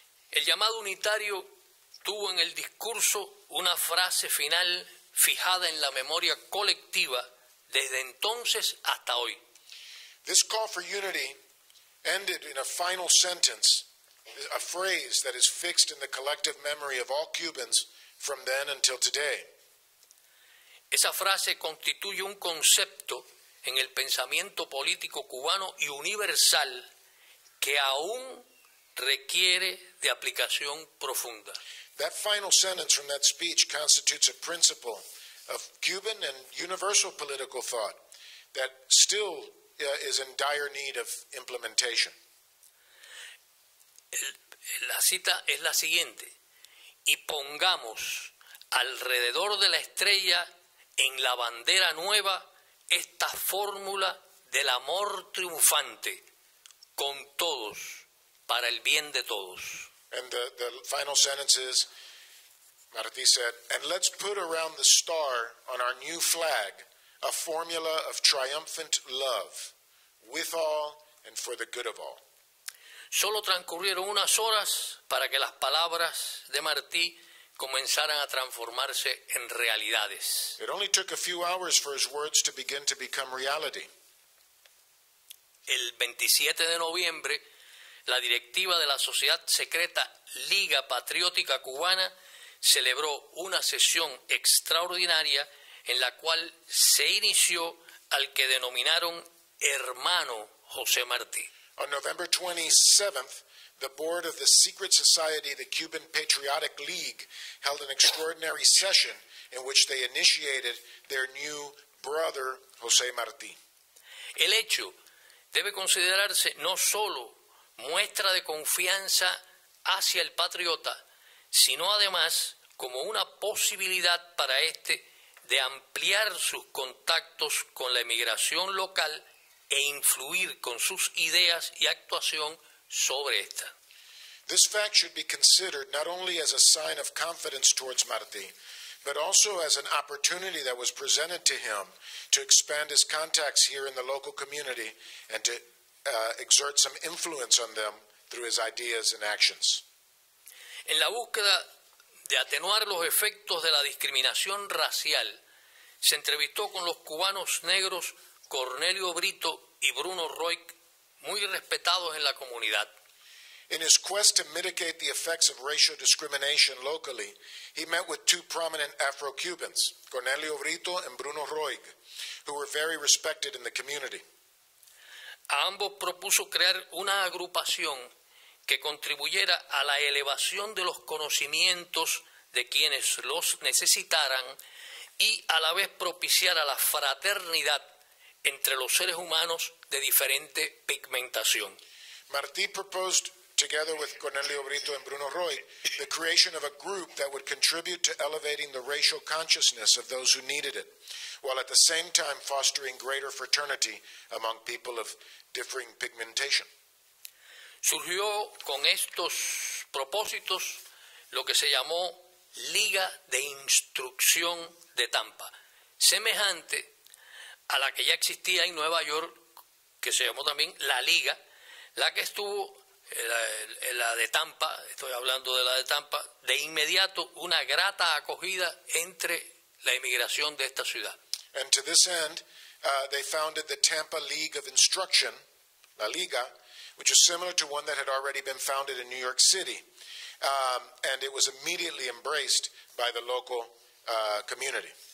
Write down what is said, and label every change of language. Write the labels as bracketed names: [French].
[Spanish] El llamado unitario tuvo en el discurso una frase final fijada en la memoria colectiva desde entonces hasta hoy. [English] This call for unity ended in a final sentence, a phrase that is fixed in the collective memory of all Cubans from then until today. [Spanish] Esa frase constituye un concepto en el pensamiento político cubano y universal que aún requiere de aplicación profunda. [English] That final sentence from that speech constitutes a principle of Cuban and universal political thought that still is in dire need of implementation. [Spanish] La cita es la siguiente: y pongamos alrededor de la estrella, en la bandera nueva, esta fórmula del amor triunfante, con todos, para el bien de todos. [English] And the final sentence is, Martí said, and let's put around the star on our new flag a formula of triumphant love, with all and for the good of all. [Spanish] Solo transcurrieron unas horas para que las palabras de Martí comenzaran a transformarse en realidades. [English] It only took a few hours for his words to begin to become reality. [Spanish] El 27 de noviembre, la directiva de la sociedad secreta Liga Patriótica Cubana celebró una sesión extraordinaria en la cual se inició al que denominaron hermano José Martí. [English] On November 27th, the board of the secret society, the Cuban Patriotic League, held an extraordinary session in which they initiated their new brother, José Martí. [Spanish] El hecho debe considerarse no solo muestra de confianza hacia el patriota, sino además como una posibilidad para este de ampliar sus contactos con la emigración local e influir con sus ideas y actuación sobre esta. [English] This fact should be considered not only as a sign of confidence towards Martí, but also as an opportunity that was presented to him to expand his contacts here in the local community and to exert some influence on them through his ideas and actions. [Spanish] En la búsqueda de atenuar los efectos de la discriminación racial, se entrevistó con los cubanos negros Cornelio Brito y Bruno Roig, muy respetados en la comunidad. [English] In his quest to mitigate the effects of racial discrimination locally, he met with two prominent Afro-Cubans, Cornelio Brito and Bruno Roig, who were very respected in the community. [Spanish] A ambos propuso crear una agrupación que contribuyera a la elevación de los conocimientos de quienes los necesitaran y a la vez propiciara la fraternidad entre los seres humanos de diferente pigmentación. [English] Martí proposed, together with Cornelio Brito and Bruno Roy, the creation of a group that would contribute to elevating the racial consciousness of those who needed it, while at the same time fostering greater fraternity among people of differing pigmentation. [Spanish] Surgió con estos propósitos lo que se llamó Liga de Instrucción de Tampa, semejante a la que ya existía en Nueva York, que se llamó también La Liga, la que estuvo, la de Tampa, estoy hablando de la de Tampa, de inmediato una grata acogida entre la emigración de esta ciudad. [English] And to this end, they founded the Tampa League of Instruction, La Liga, which is similar to one that had already been founded in New York City, and it was immediately embraced by the local community.